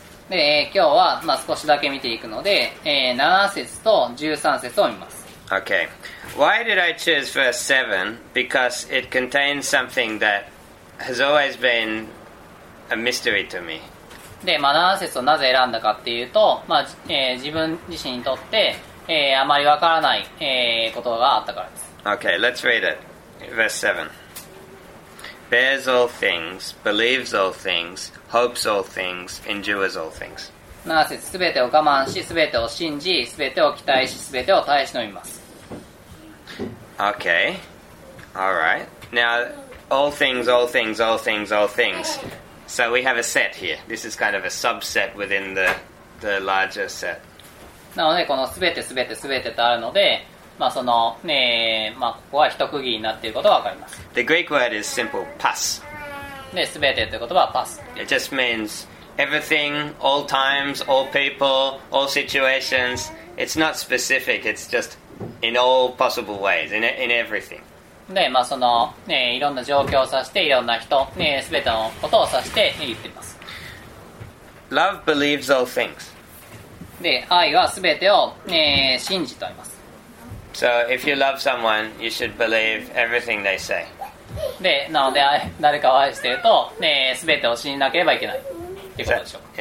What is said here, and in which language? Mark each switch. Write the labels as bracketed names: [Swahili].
[Japanese] で今日は、まあ、少しだけ見ていくので、7節と13節を見ます。 [English] Okay. Why did I choose verse 7? Because it contains something that has always been a mystery to me. [Japanese] で、まあ、7節をなぜ選んだかっていうと、まあ自分自身にとって、あまりわからない、ことがあったからです。 [English] Okay, let's read it. Verse 7. Bears all things, believes all things, hopes all things, endures all things. [Japanese] 7節、すべてを我慢し、すべてを信じ、すべてを期待し、すべてを耐え忍びます。 [English] Okay. All right. Now, all things, all things, all things, all things. So we have a set here. This is kind of a subset within the larger set. [Japanese] なので、このすべて、すべて、すべてとあるので、まあそのねまあ、ここは一区切りになっていることが分かります。 [English] The Greek word is simple, pas. [Japanese] で、すべてという言葉は pas。 [English] It just means everything, all times, all people, all situations. It's not specific, it's just in all possible ways, in everything. [Japanese] で、まあそのね、いろんな状況を指して、いろんな人、ね、すべてのことを指して言っています。 [English] Love believes all things. [Japanese] で、愛はすべてを、ね、信じています。 [English] So if you love someone, you should believe everything they say. [Japanese] で、なので誰かを愛していると、ね、すべてを信じなければいけないってことでしょう。